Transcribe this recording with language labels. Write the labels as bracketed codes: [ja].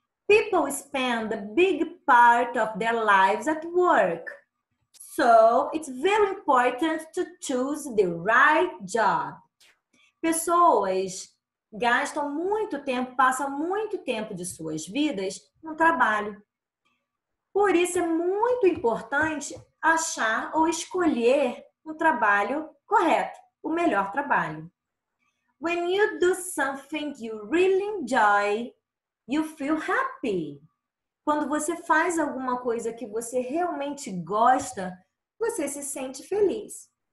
[en] People spend a big part of their lives at work. So, it's very important to choose the right job. [pt] Pessoas gastam muito tempo, passam muito tempo de suas vidas no trabalho. Por isso, é muito importante achar ou escolher um trabalho correto, o melhor trabalho. [en] When you do something you really enjoy, you feel happy. [pt] Quando você faz alguma coisa que você realmente gosta, você se sente feliz.